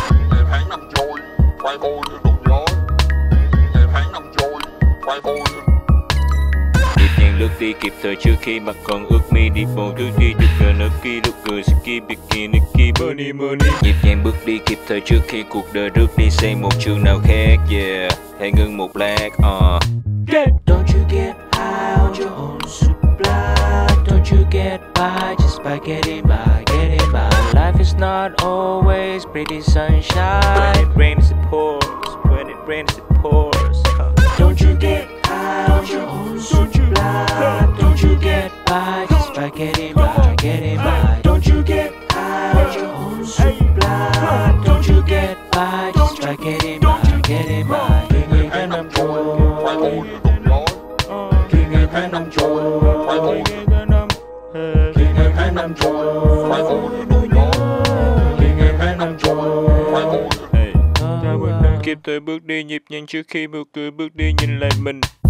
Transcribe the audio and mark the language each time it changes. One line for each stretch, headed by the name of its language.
Vietnamese: Ngày tháng năm trôi, phai phôi như đồ nhớ. Ngày tháng năm trôi, phai phôi như lướt đi kịp thời trước khi mặt còn ướt mi đi bộ thứ đi được gần nơi kia lúc người
English: ski bikini ski bunny bunny
Vietnamese: nhịp nhàng bước đi kịp thời trước khi cuộc đời rước đi xây một trường nào khác yeah hãy ngưng một lát yeah.
English: Don't you get high on your own supply, don't you get by just by getting by, getting by. Life is not always pretty sunshine, when it rains it pours, when it rains it pours. Don't you get high on your own supply, don't you get by just by getting by, getting by. Don't you get high on your own supply, don't you get by just by getting by, getting by.
Vietnamese: Kinh nghiệm hai năm trôi, phải bồi được đúng lối. Kinh nghiệm hai năm trôi, phải bồi được. Kinh nghiệm hai năm trôi, phải bồi được đúng lối. tôi bước đi nhịp nhàng trước khi mưa cứ bước đi nhìn lại mình.